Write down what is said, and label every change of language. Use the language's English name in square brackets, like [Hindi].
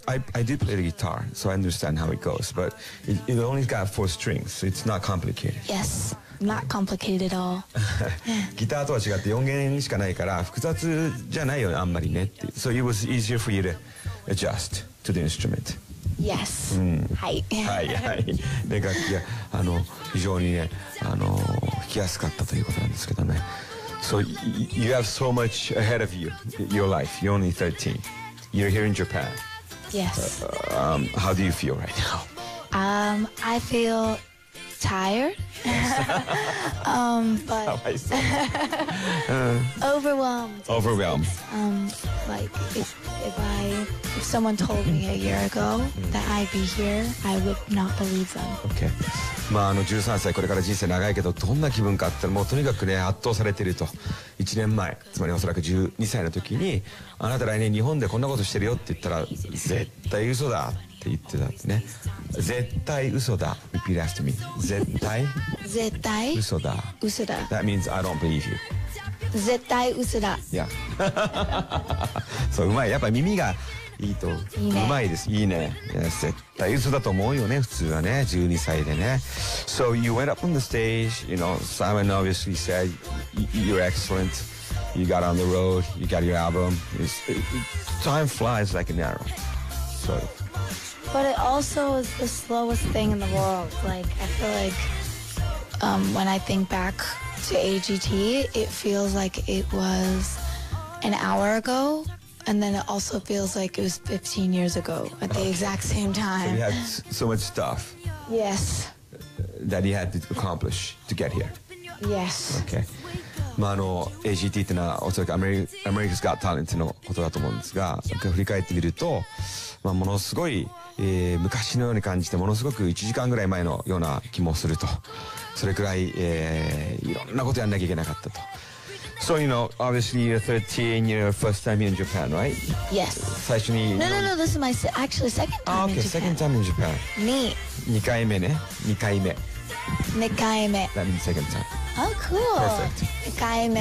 [English] I do play the guitar, so I understand how it goes, but it only got four strings, so it's not complicated. Yes. Not complicated at all. [Japanese] ギターとは違って4弦しかないから複雑じゃないよあんまりねって。 [English] So it was easier for you to adjust to the instrument. Yes. [Japanese] はい。はいはい。で、楽器が非常にね、弾きやすかったということなんですけどね。 [English] So you have so much ahead of you, your life. You're only 13. You're here in Japan. Yes. How do you feel right now? I feel... Tired, but overwhelmed. Overwhelmed. Like if someone told me a year ago that I'd be here, I would not believe them. Okay. [Japanese] まあ、13歳これから人生長いけどどんな気分かって、もうとにかくね圧倒されていると。 1年前、つまりおそらく12歳の時に、あなた来年日本でこんなことしてるよって言ったら絶対嘘だって言ってたんですね。絶対嘘だ。 [English] Repeat after me. [Japanese] 絶対絶対嘘だ。嘘だ。 [English] That means I don't believe you. [Japanese] 絶対嘘だ。いや、そう、うまい。やっぱ耳がいいと、いいね、うまいです。いいね。絶対嘘だと思うよね、普通はね、12歳でね。 [English] So you went up on the stage, you know, Simon obviously said you're excellent. You got on the road, you got your album. Time flies like an arrow. So. But it also is the slowest thing in the world. Like, I feel like, when I think back to AGT, it feels like it was an hour ago. And then it also feels like it was 15 years ago at the exact same time. So you had so much stuff. Yes. That you had to accomplish to get here. Yes. [Japanese] Okay. まあ、AGT ってのはおそらくAmerica's Got Talent のことだと思うんですが、振り返ってみると、まあ、ものすごい、昔のように感じて、ものすごく1時間ぐらい前のような気もすると。それくらい、いろんなことやんなきゃいけなかったと。 [English] So, you know, obviously you're 13, you're first time here in Japan, right? Yes. [Japanese] 最初に… [English] No, this is my actually second time in Japan. Okay, second time in Japan. Me. [Japanese] 2回目ね。 [English] That means second time. Oh, cool. Perfect. [Japanese] 2回目。